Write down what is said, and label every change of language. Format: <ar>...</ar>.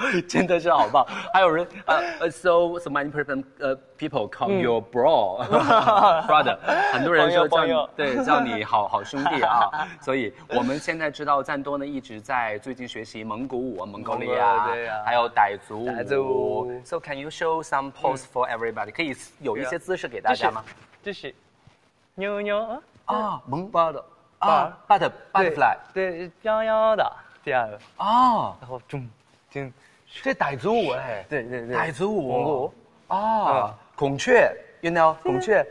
<zh>真的是好棒。还有人</zh> <en>so many people call your brother</en> <zh>很多人说叫对叫你好好兄弟啊。所以我们现在知道赞多呢一直在最近学习蒙古舞、蒙古里亚，还有傣族舞。</zh> <en>So can you show some pose for everybody？</en> <zh>可以有一些姿势给大家吗？就是扭扭啊，蒙巴的啊 ，butterfly，对，飘摇的第二个啊，然后中间这傣族舞哎，对对对，傣族舞，蒙古啊，孔雀 ，</zh> <en>you know，</en> <zh>孔雀，</zh>